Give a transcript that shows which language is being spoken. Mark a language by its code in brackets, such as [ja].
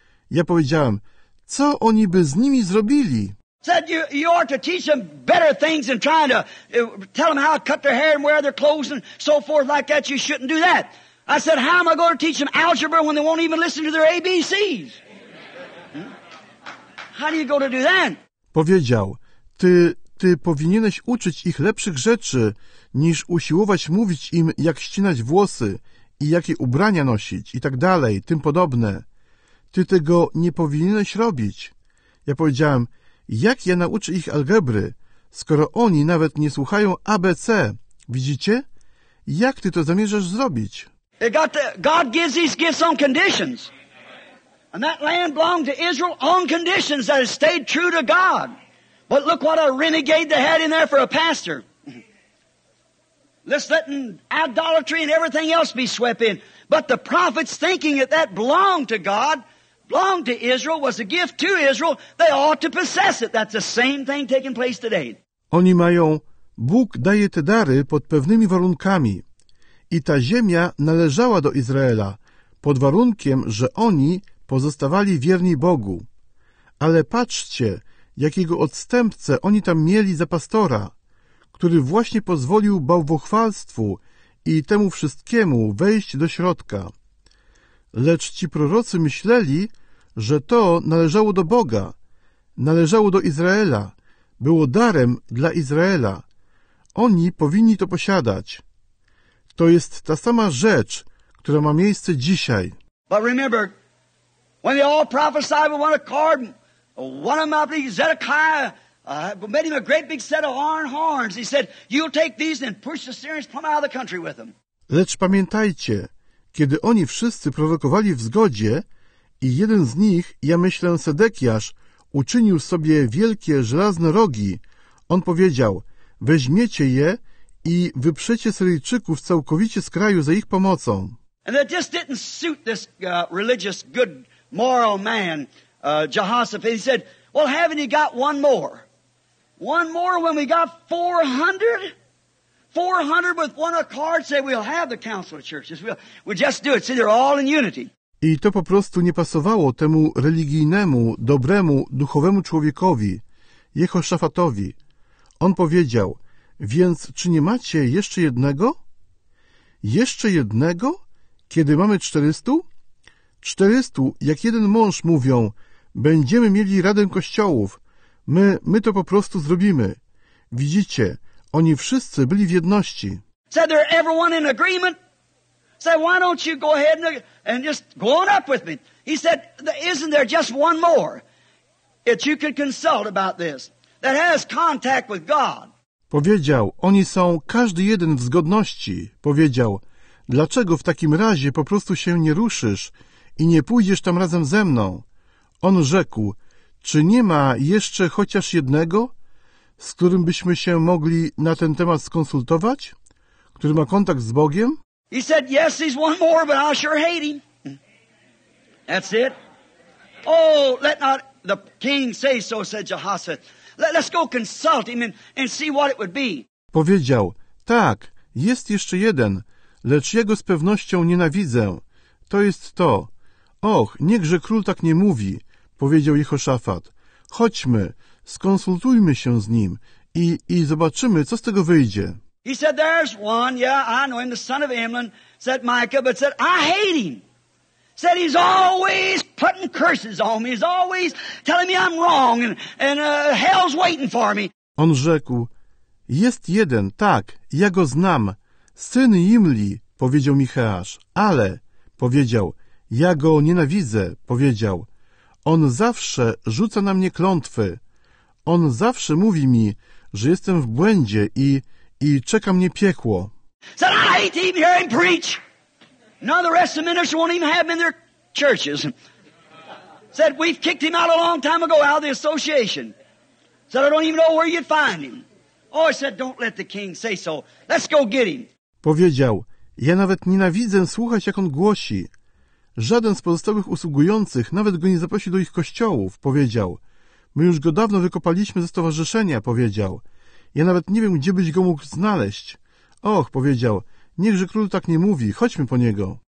[pl] Ja powiedziałem, co oni by z nimi zrobili? [en] Said you ought to teach them better things than trying to tell them how to cut their hair and wear their clothes and so forth like that. You shouldn't do that. I said, how am I going to teach them algebra when they won't even listen to their ABCs? How do you go to do that? [pl] Powiedział, ty powinieneś uczyć ich lepszych rzeczy niż usiłować mówić im, jak ścinać włosy i jakie ubrania nosić i tak dalej, tym podobne. Ty tego nie powinieneś robić. Ja powiedziałem, jak ja nauczę ich algebry, skoro oni nawet nie słuchają ABC? Widzicie? Jak ty to zamierzasz zrobić? [en] God gives these gifts on conditions. And that land belonged to Israel on conditions that it stayed true to God. But look what a renegade they had in there for a pastor. Let's let idolatry and everything else be swept in. But the prophets thinking that belonged to God, belonged to Israel, was a gift to Israel, they ought to possess it. That's the same thing taking place today. [pl] Oni mają, Bóg daje te dary pod pewnymi warunkami. I ta ziemia należała do Izraela, pod warunkiem, że oni pozostawali wierni Bogu. Ale patrzcie, jakiego odstępcę oni tam mieli za pastora, który właśnie pozwolił bałwochwalstwu i temu wszystkiemu wejść do środka. Lecz ci prorocy myśleli, że to należało do Boga, należało do Izraela, było darem dla Izraela. Oni powinni to posiadać. To jest ta sama rzecz, która ma miejsce dzisiaj. [en] But remember, when they all prophesied with one accord, one of them, I believe, Zedekiah, made him a great big set of iron horns. He said, you'll take these and push the Syrians plumb out of the country with them. [pl] Lecz pamiętajcie, kiedy oni wszyscy prorokowali w zgodzie i jeden z nich, ja myślę Sedekiasz, uczynił sobie wielkie żelazne rogi, on powiedział, weźmiecie je i wyprzecie Syryjczyków całkowicie z kraju za ich pomocą. [en] And that just didn't suit this religious, good, moral man, Jehoshaphat. He said, well, haven't you got one more? One more when we got 400? 400 with one accord say we'll have the council of churches. We'll just do it. See, they're all in unity. [pl] I to po prostu nie pasowało temu religijnemu, dobremu, duchowemu człowiekowi, Jehoszafatowi. On powiedział, więc czy nie macie jeszcze jednego? Jeszcze jednego? Kiedy mamy 400? 400, jak jeden mąż mówią, będziemy mieli radę kościołów. My to po prostu zrobimy. Widzicie, oni wszyscy byli w jedności. [en] Said they're everyone in agreement. Said, why don't you go ahead and just go on up with me? He said, isn't there just one more that you could consult about this, that has contact with God? [pl] Powiedział, oni są każdy jeden w zgodności. Powiedział, dlaczego w takim razie po prostu się nie ruszysz i nie pójdziesz tam razem ze mną? On rzekł, czy nie ma jeszcze chociaż jednego, z którym byśmy się mogli na ten temat skonsultować, który ma kontakt z Bogiem? [en] He said, yes, he's one more, but I sure hate him. That's it. Oh, let not the king say so, said Jehoshaphat. Let's go consult him and see what it would be. [pl] Powiedział, tak, jest jeszcze jeden, lecz jego z pewnością nienawidzę. To jest to. Och, niechże król tak nie mówi, powiedział Jehoszafat. Chodźmy, skonsultujmy się z nim i zobaczymy, co z tego wyjdzie. [en] He said, there's one, yeah, I know him, the son of Imlan, said Micah, but said, I hate him. Said he's always putting curses on me. He's always telling me I'm wrong and hell's waiting for me. [pl] On rzekł, jest jeden, tak, ja go znam. Syn Imli, powiedział Micheasz, ale, powiedział, ja go nienawidzę, powiedział. On zawsze rzuca na mnie klątwy. On zawsze mówi mi, że jestem w błędzie i czeka mnie piekło. [en] Said, I hate to even hear him preach. Now the rest of the ministers won't even have him in their churches. Said, we've kicked him out a long time ago out of the association. Said, I don't even know where you'd find him. Oh, I said, don't let the king say so. Let's go get him. [pl] Powiedział, ja nawet nienawidzę słuchać, jak on głosi. Żaden z pozostałych usługujących nawet go nie zaprosi do ich kościołów. Powiedział, My już go dawno wykopaliśmy ze stowarzyszenia, powiedział. Ja nawet nie wiem, gdzie byś go mógł znaleźć. Och, powiedział, niechże król tak nie mówi, chodźmy po niego.